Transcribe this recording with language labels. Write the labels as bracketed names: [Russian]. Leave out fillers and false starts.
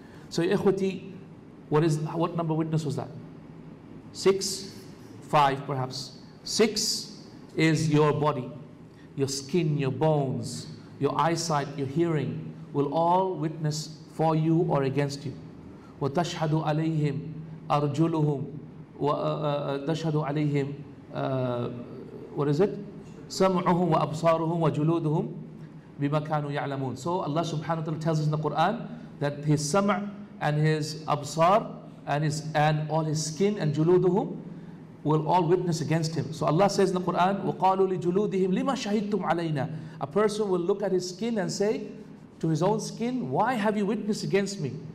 [English] So, ikhwati, what number witness was that? Six? Five, perhaps. Six is your body. Your skin, your bones, your eyesight, your hearing will all witness for you or against you. [Arabic] وَتَشْهَدُ عَلَيْهِمْ أَرْجُلُهُمْ وَتَشْهَدُ عَلَيْهِمْ [English] What is it? [Arabic] سَمْعُهُمْ وَأَبْصَارُهُمْ وَجُلُودُهُمْ بِمَا كَانُوا يَعْلَمُونَ. [English] So Allah subhanahu wa ta'ala tells us in the Quran that his sam' and his absar and all his skin and juluduhum will all witness against him. So Allah says in the Quran, [Arabic] وَقَالُوا لِجُلُودِهِمْ لِمَا شَهِدْتُمْ عَلَيْنَا. [English] A person will look at his skin and say to his own skin, why have you witnessed against me?